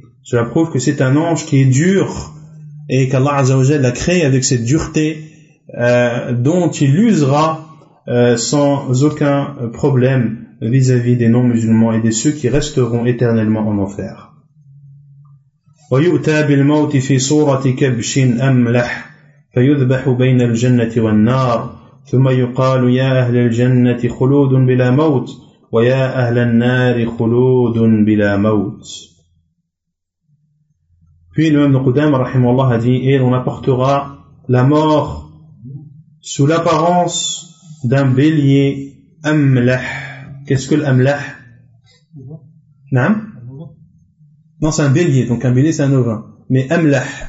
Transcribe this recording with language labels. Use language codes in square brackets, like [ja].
[fr] Cela prouve que c'est un ange qui est dur, et qu'Allah azza wa jalla l'a créé avec cette dureté dont il usera sans aucun problème vis-à-vis des non-musulmans et de ceux qui resteront éternellement en enfer. [ar] وَيُؤْتَى بِالْمَوْتِ فِي صُورَةِ كَبْشٍ أَمْلَحٍ فيذبح بين الجنة والنار ثم يقال يا أهل الجنة خلود بلا موت ويا أهل النار خلود بلا موت. [fr] Puis le même Qudam, rahimahullah, a dit, et on apportera la mort sous l'apparence d'un bélier amlah. Qu'est-ce que l'amlah? Non? Non, c'est un bélier, donc un bélier c'est un ovin. Mais amlah.